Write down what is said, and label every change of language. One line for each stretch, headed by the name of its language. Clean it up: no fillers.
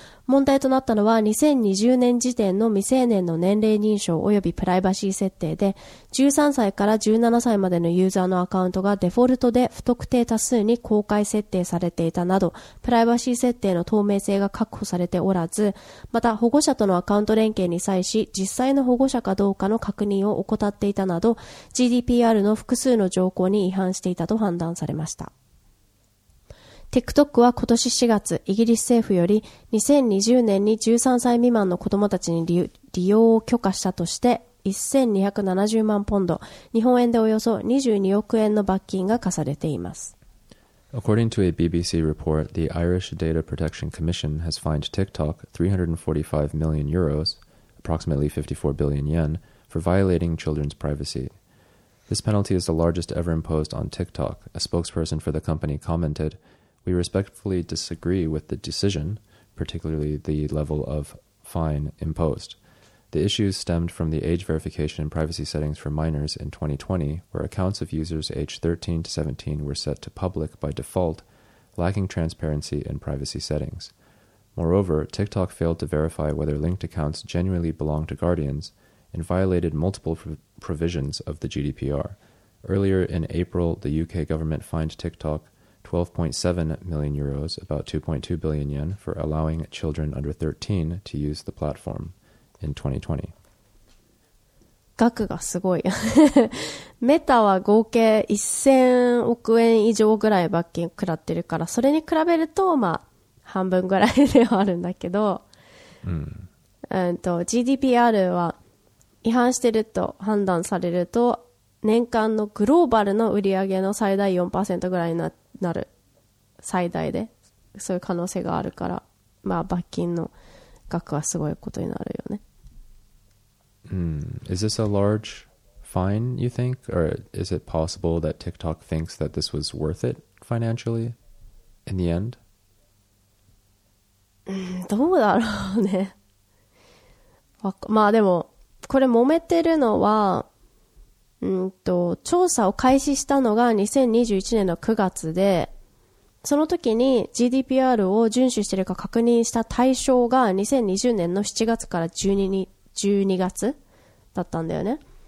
Japanese: 問題となったのは2020年時点の未成年の年齢認証及びプライバシー設定で13歳から17歳までのユーザーのアカウントがデフォルトで不特定多数に公開設定されていたなどプライバシー設定の透明性が確保されておらず、また保護者とのアカウント連携に際し実際の保護者かどうかの確認を怠っていたなど GDPR の複数の条項に違反していたと判断されました。 TikTok は今年4月、イギリス政府より2020年に13歳未満の子どもたちに利用を許可したとして1270万ポンド、日本円でおよそ22億円の罰金が課されています。
English: According to a BBC report, the Irish Data Protection Commission has fined TikTok 345 million euros, approximately 54 billion yen, for violating children's privacy. This penalty is the largest ever imposed on TikTok. A spokesperson for the company commented, "We respectfully disagree with the decision, particularly the level of fine imposed. The issues stemmed from the age verification and privacy settings for minors in 2020, where accounts of users aged 13 to 17 were set to public by default, lacking transparency in privacy settings. Moreover, TikTok failed to verify whether linked accounts genuinely belong to guardians and violated multiple provisions of the GDPR. Earlier in April, the UK government fined TikTok 12.7 million euros, about 2.2 billion yen, for allowing children under 13 to use the platform in 2020.
Japanese: 額がすごい。メタは合計1000億円以上ぐらい罰金食らってるから、それに比べると、まあ、半分ぐらいではあるんだけど、GDPR は、違反してると判断されると年間のグローバルの売り上げの最大 4% ぐらいになる、最大でそういう可能性があるから、まあ罰金の額はすごいことになるよね。
English: Is this a large fine, you think? Or is it possible that TikTok thinks that this was worth it financially in the end?
Japanese: どうだろうね。まあでもこれ揉めてるのは、調査を開始したのが2021年の9月で、その時に GDPR を遵守してるか確認した対象が2020年の7月から12月だったんだよね。